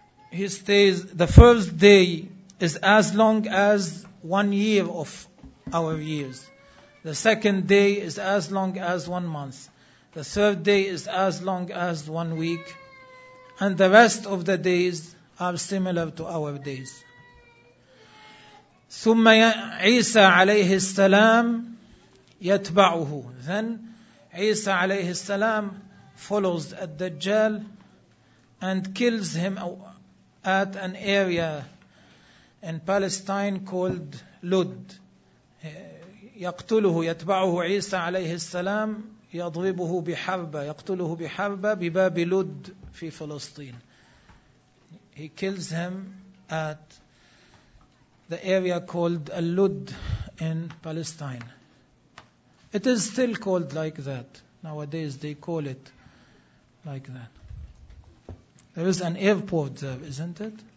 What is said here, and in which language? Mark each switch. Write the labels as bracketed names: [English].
[English] He stays, the first day is as long as 1 year of our years. The second day is as long as 1 month. The third day is as long as 1 week. And the rest of the days are similar to our days. [Arabic] ثم عيسى عليه السلام يتبعه. [English] Then عيسى [Arabic] عليه السلام [English] follows الدجال and kills him at an area in Palestine called Lud. [Arabic] يقتله يتبعه عيسى عليه السلام يضربه بحربة يقتله بحربة بباب لود في فلسطين. [English] He kills him at the area called Al-Lud in Palestine. It is still called like that. Nowadays they call it like that. There is an airport there, isn't it?